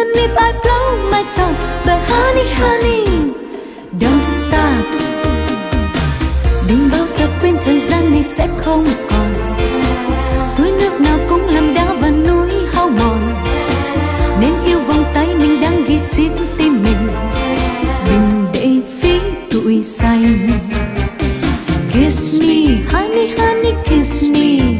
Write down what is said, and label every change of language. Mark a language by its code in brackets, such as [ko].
[en] if I blow my tongue, but honey, honey, don't stop. [vi] Đừng bao giờ quên thời gian này sẽ không còn. Suối nước nào cũng làm đá và núi hao mòn. Nên yêu vòng tay mình đang ghi xiết tim mình. Đừng để phí tuổi xanh. [en] Kiss me, honey, honey, kiss me.